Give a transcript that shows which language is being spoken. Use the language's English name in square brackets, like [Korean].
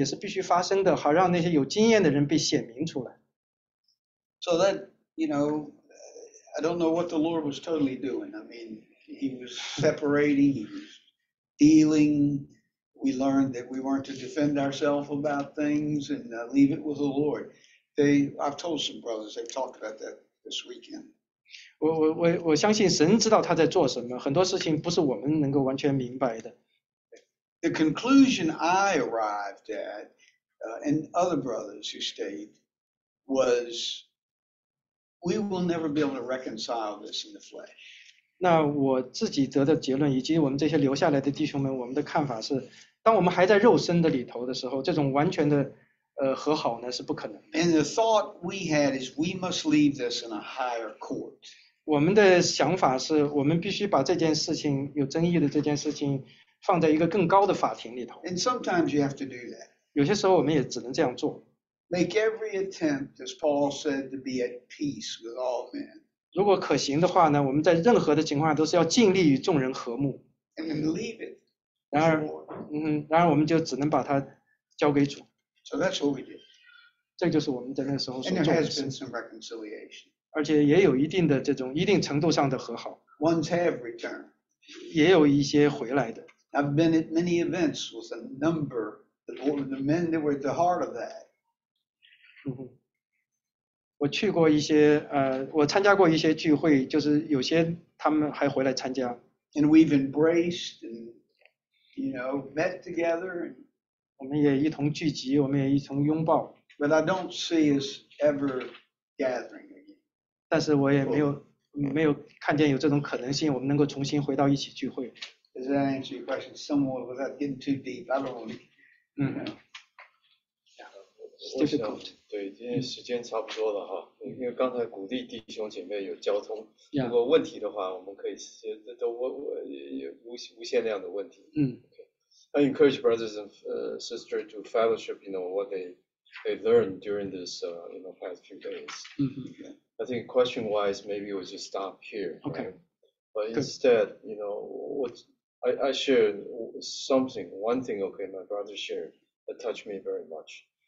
[Chinese] 因为在哥林多前书那边，他也是说到，就是像你，我知道你们中间有纷争的事情。他说也是这样的事情，也是必须发生的，好让那些有经验的人被显明出来。 [English] So that, you know, I don't know what the Lord was totally doing. I mean, He was separating, he was dealing. We learned that we weren't to defend ourselves about things and leave it with the Lord. I've told some brothers, they've talked about that this weekend. [Chinese] 我相信神知道他在做什么，很多事情不是我们能够完全明白的。 [English] The conclusion I arrived at, and other brothers who stayed, was we will never be able to reconcile this in the flesh. [Chinese] 那我自己得的结论，以及我们这些留下来的弟兄们，我们的看法是，当我们还在肉身的里头的时候，这种完全的和好呢是不可能。And [English] the thought we had is we must leave this in a higher court. [Chinese] 我们的想法是我们必须把这件事情有争议的这件事情放在一个更高的法庭里头。 [English] And sometimes you have to do that. [Chinese] 有些时候我们也只能这样做。 [English] Make every attempt, as Paul said, to be at peace with all men. [Chinese] 如果可行的话呢，我们在任何的情况下都是要尽力与众人和睦。 [English] And then leave it. [Chinese] 然而，然而我们就只能把它交给主。 [English] So that's what we did. [Chinese] 这就是我们在那时候所做的事。 [English] And there has been some reconciliation. [Chinese] 而且也有一定的这种一定程度上的和好。 [English] Ones have returned. [Chinese] 也有一些回来的。 [English] I've been at many events with a number of the men that were at the heart of that. [Chinese] 我去过一些我参加过一些聚会，就是有些他们还回来参加。 [English] And we've embraced and, you know, met together. [Chinese] 我们也一同聚集，我们也一同拥抱。 [English] But I don't see us ever gathering again. [Chinese] 但是我也没有、oh. 没有看见有这种可能性，我们能够重新回到一起聚会。 [English] Does that answer your question somewhat without getting too deep? I don't want to. [Chinese] 我想对今天时间差不多了哈，因为刚才鼓励弟兄姐妹有交通，如果问题的话，我们可以都无限量的问题。 [English] I encourage brothers and sisters to fellowship, you know, what they learned during this, you know, past few days. I think question wise, maybe we'll just stop here. Okay. But instead, you know, I shared something, one thing, okay, my brother shared that touched me very much.